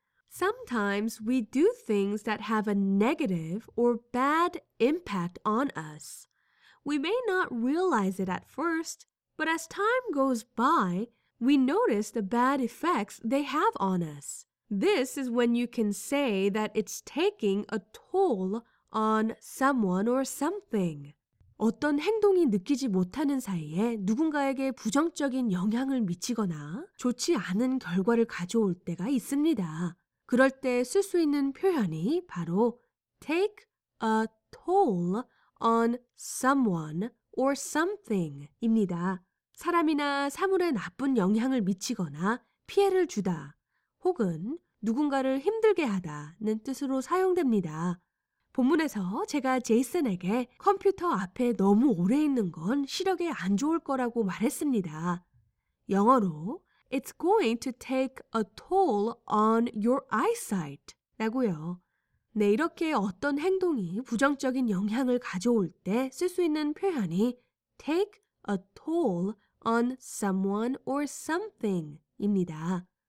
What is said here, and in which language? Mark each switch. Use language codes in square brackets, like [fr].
[en] Sometimes we do things that have a negative or bad impact on us. We may not realize it at first, but as time goes by, we notice the bad effects they have on us. This is when you can say that it's taking a toll on someone or something. [ko] 어떤 행동이 느끼지 못하는 사이에 누군가에게 부정적인 영향을 미치거나 좋지 않은 결과를 가져올 때가 있습니다. 그럴 때 쓸 수 있는 표현이 바로 [en] take a toll on someone or something [ko] 입니다. 사람이나 사물에 나쁜 영향을 미치거나 피해를 주다 혹은 누군가를 힘들게 하다는 뜻으로 사용됩니다. 본문에서 제가 제이슨에게 컴퓨터 앞에 너무 오래 있는 건 시력에 안 좋을 거라고 말했습니다. 영어로 [en] It's going to take a toll on your eyesight. [ko] 라고요. 네, 이렇게 어떤 행동이 부정적인 영향을 가져올 때 쓸 수 있는 표현이 [en] take a toll on someone or something [ko] 입니다.